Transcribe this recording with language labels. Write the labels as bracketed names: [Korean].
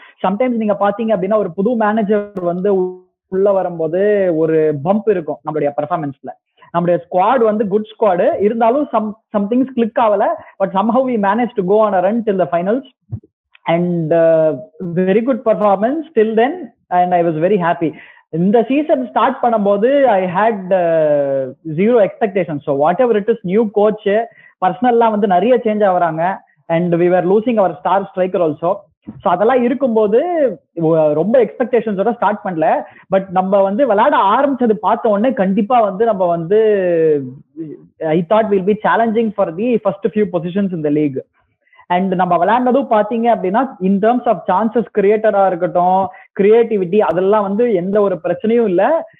[Tamil] Sometimes நீங்கள் பார்த்தீங்க அப்படின்னா ஒரு புது மேனேஜர் வந்து உள்ளே வரும்போது ஒரு பம்ப் இருக்கும் நம்மளுடைய பர்ஃபார்மன்ஸில். நம்முடைய ஸ்குவாட் வந்து குட் ஸ்குவாடு இருந்தாலும் சம்திங்ஸ் கிளிக் ஆகலை, [English] But somehow we manage to go on a run till the finals and very good performance till then. And I was very happy. In the season start [Tamil] panumbodhu, [English] I had zero expectations. So whatever it is, new coach, personnel [Tamil] la vandu nariya change avaranga. [English] And we were losing our star striker also. [Tamil] So அதெல்லாம் இருக்கும்போது ரொம்ப எக்ஸ்பெக்டேஷன்ஸோட start பண்ணல. But நம்ம வந்து விளையாட ஆரம்பிச்சது பார்த்த உடனே கண்டிப்பா வந்து நம்ம வந்து [English] I thought will be challenging for the first few positions in the league. [Tamil] And நம்ம விளையாண்டதும் பாத்தீங்க அப்படின்னா [English] in terms of chances [Tamil] கிரியேட்டரா இருக்கட்டும், கிரியேட்டிவிட்டி அதெல்லாம் வந்து எந்த ஒரு பிரச்சனையும் இல்லை.